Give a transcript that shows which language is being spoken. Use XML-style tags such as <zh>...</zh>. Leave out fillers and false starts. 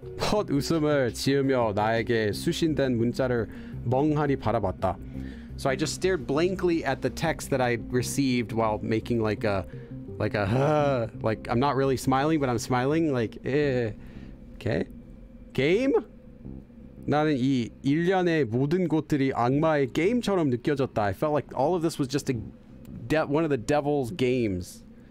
<ko>헛 웃음을 지으며 나에게 수신된 문자를 멍하니 바라봤다.</ko> <en>So I just stared blankly at the text that I received while making like I'm not really smiling, but I'm smiling like eh. Okay. Game?</en> <ko>나는 이 일련의 모든 것들이 악마의 게임처럼 느껴졌다.</ko> <en>I felt like all of this was just one of the devil's games.</en>